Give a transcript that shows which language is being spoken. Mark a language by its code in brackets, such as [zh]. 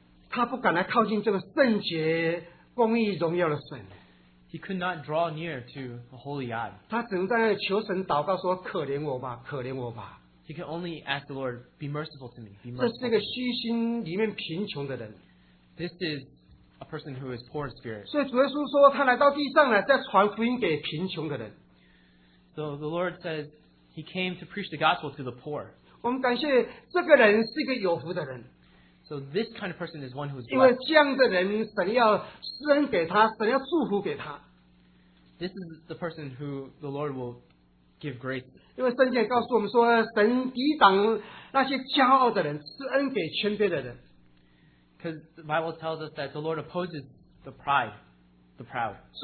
[zh] 他不敢来靠近这个圣洁、公义、荣耀的神。 [en] He could not draw near to a holy God. [zh] 他只能在那里求神祷告说：“可怜我吧，可怜我吧。” [en] He could only ask the Lord, "Be merciful to me." Be merciful. [zh] 这是一个虚心里面贫穷的人。 [en] This is a person who is poor in spirit. [zh] 所以主耶稣说，他来到地上来，在传福音给贫穷的人。 [en] So the Lord says he came to preach the gospel to the poor. [zh] 我们感谢这个人是一个有福的人。 [en] So this kind of person is one who is blessed. [zh] 因为这样的人，神要施恩给他，神要祝福给他。 [en] This is the person who the Lord will give grace. [zh] 因为圣经告诉我们说，神抵挡那些骄傲的人，施恩给谦卑的人。 [en] Because the Bible tells us that the Lord opposes the pride, the proud.